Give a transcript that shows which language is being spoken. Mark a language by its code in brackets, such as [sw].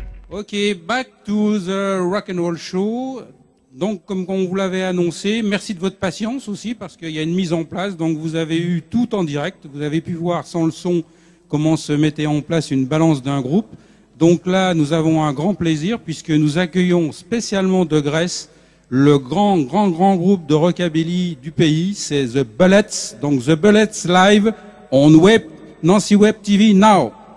[en] OK, back to the rock and roll show. [fr] Donc, comme on vous l'avait annoncé, merci de votre patience aussi, parce qu'il y a une mise en place. Donc, vous avez eu tout en direct. Vous avez pu voir sans le son comment se mettait en place une balance d'un groupe. Donc là, nous avons un grand plaisir, puisque nous accueillons spécialement de Grèce le grand, grand, grand groupe de rockabilly du pays. C'est The Bullets. Donc, The Bullets [en] live on web, [fr] Nancy WebTV now.